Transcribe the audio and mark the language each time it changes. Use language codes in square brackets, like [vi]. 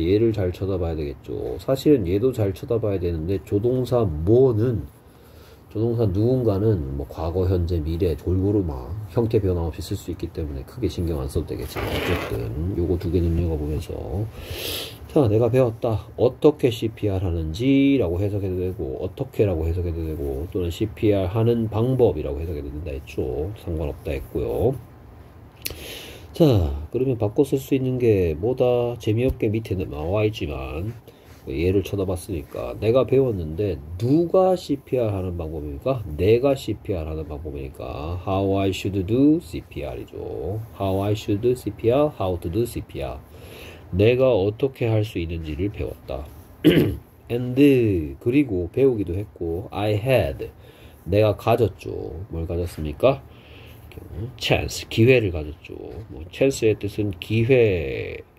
[ko] 얘를 잘 쳐다봐야 되겠죠. 사실은 얘도 잘 쳐다봐야 되는데 조동사 뭐는 조동사 누군가는 뭐 과거, 현재, 미래 골고루 막 형태 변화 없이 쓸수 있기 때문에 크게 신경 안 써도 되겠지만 어쨌든 요거 두개 눈여겨보면서 자 내가 배웠다 어떻게 CPR 하는지라고 해석해도 되고 어떻게라고 해석해도 되고 또는 CPR 하는 방법이라고 해석해도 된다 했죠 상관없다 했고요 자 그러면 바꿔 쓸수 있는 게 뭐다 재미없게 밑에 나와 있지만 얘를 쳐다봤으니까 내가 배웠는데 누가 CPR 하는 방법입니까? 내가 CPR 하는 방법이니까 [en] How I should do CPR이죠. How I should do CPR, how to do CPR. [ko] 내가 어떻게 할수 있는지를 배웠다. And 그리고 배우기도 했고 [en] I had [ko] 내가 가졌죠. 뭘 가졌습니까? Chance 기회를 가졌죠. 뭐 chance의 뜻은 기회.